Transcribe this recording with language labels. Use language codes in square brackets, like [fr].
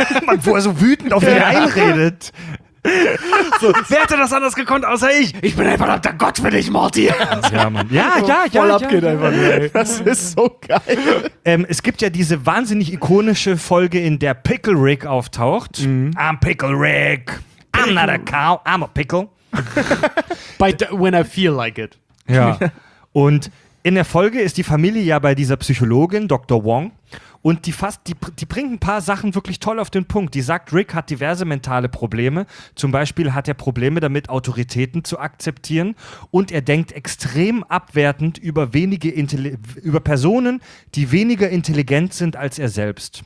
[de] Man, wo er so wütend auf ihn einredet. So. Wer hätte das anders gekonnt, außer ich? Ich bin ein verdammter Gott für dich, Morty. Ja, Mann. Ja. Voll abgeht einfach nur. Das ist so geil. Es gibt ja diese wahnsinnig ikonische Folge, in der Pickle Rick auftaucht. [en] Mhm. I'm Pickle Rick. I'm not a cow, I'm a pickle. But when I feel like it. [de] Ja. Und In der Folge ist die Familie ja bei dieser Psychologin, Dr. Wong, und die bringt ein paar Sachen wirklich toll auf den Punkt. Die sagt, Rick hat diverse mentale Probleme, zum Beispiel hat er Probleme damit, Autoritäten zu akzeptieren, und er denkt extrem abwertend über Personen, die weniger intelligent sind als er selbst.